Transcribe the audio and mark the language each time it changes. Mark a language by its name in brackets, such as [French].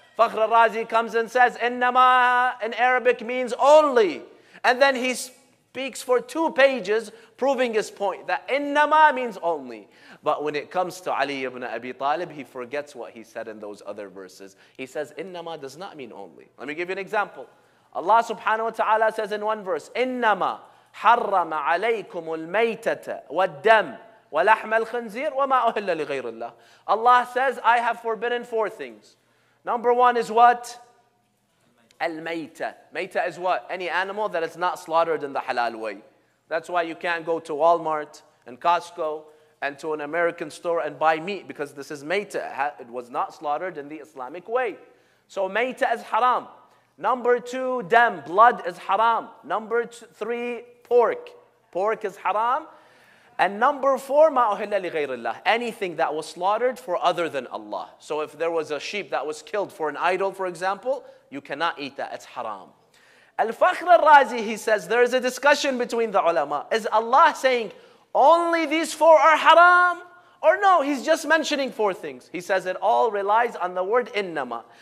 [English] Fakhr al-Razi comes and says innama in Arabic means only. And then he speaks for 2 pages proving his point that innama means only. But when it comes to Ali ibn Abi Talib, he forgets what he said in those other verses. He says innama does not mean only. Let me give you an example. Allah subhanahu wa ta'ala says in one verse, innama [Arabic] حرم عليكم الميتة والدم ولحم الخنزير وما أهل لغير الله. [English] Allah says, I have forbidden 4 things. Number one is what? الميتة. ميتة is what? Any animal that is not slaughtered in the halal way. That's why you can't go to Walmart and Costco and to an American store and buy meat, because this is ميتة. It was not slaughtered in the Islamic way. So ميتة is haram. Number two, dam, blood is haram. Number three, pork. Pork is haram. And number four, [Arabic] ما أهل لغير الله. [English] Anything that was slaughtered for other than Allah. So if there was a sheep that was killed for an idol, for example, you cannot eat that. It's haram. Al-Fakhr al-Razi, he says, there is a discussion between the ulama. Is Allah saying, only these four are haram? Or no, he's just mentioning 4 things. He says it all relies on the word innama.